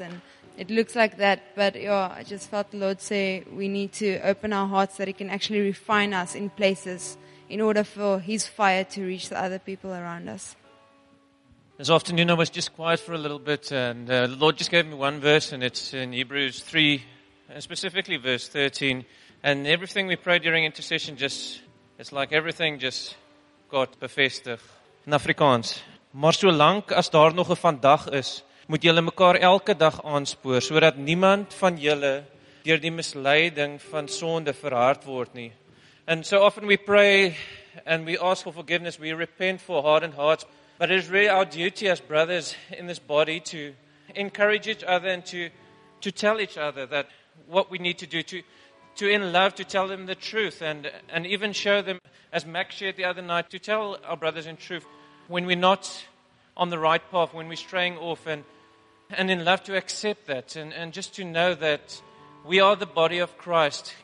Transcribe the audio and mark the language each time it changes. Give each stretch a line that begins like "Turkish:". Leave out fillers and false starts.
English: And it looks like that, but yeah, I just felt the Lord say we need to open our hearts that He can actually refine us in places in order for His fire to reach the other people around us. This afternoon, I was just quiet for a little bit, and the Lord just gave me one verse, and it's in Hebrews 3, and specifically verse 13. And everything we prayed during intercession, just it's like everything just got bevestig. In Afrikaans,
Afrikaans: maar so lang as daar nog 'n vandag is, moet julle mekaar elke dag aanspoor, sodat niemand van julle deur die misleiding van sonde verhard word nie.
English: And so often we pray and we ask for forgiveness, we repent for hardened hearts, but it is really our duty as brothers in this body to encourage each other and to tell each other that what we need to do, to in love, to tell them the truth and even show them, as Max shared the other night, to tell our brothers in truth when we're not on the right path, when we're straying off, and in love to accept that, and just to know that we are the body of Christ.